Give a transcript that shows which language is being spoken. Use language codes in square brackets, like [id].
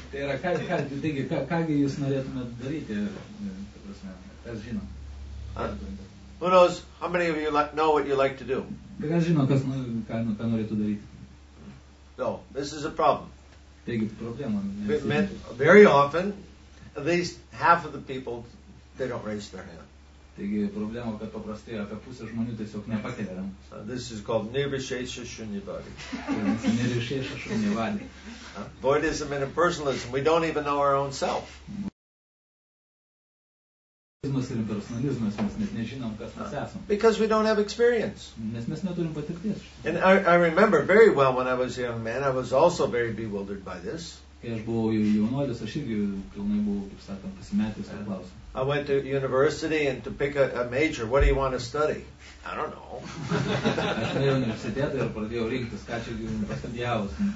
[lt] Kągi jūs norėtumėte daryti, kas žino? [en] Who knows how many of you know what you like to do? [lt] Kas žino, kas norėtų daryti? [en] No, this is a problem. [lt] Taigi problema. [en] Very often, at least half of the people, they don't raise their hand. [lt] Taigi problema, kad paprastai apie pusę žmonių tiesiog nepakelia rankų. [en] This is called nirvishesha shunyavadi. [sa] Nirvishesha shunyavadi. [en] Voidism and impersonalism, we don't even know our own self. [lt] Ir impersonalizmas, mes net nežinom, kas mes esam. [en] Because we don't have experience. [lt] Nes mes neturim patirties. [en] And I remember very well when I was a young man, I was also very bewildered by this. [lt] Kai aš buvau jaunuolis, aš irgi pilnai buvau, kaip sakant, pasimetęs tuo klausimu. [en] I went to university and to pick a major. What do you want to study? I don't know. [lt] Pradėjau rinktis, ką čia pastudijavus.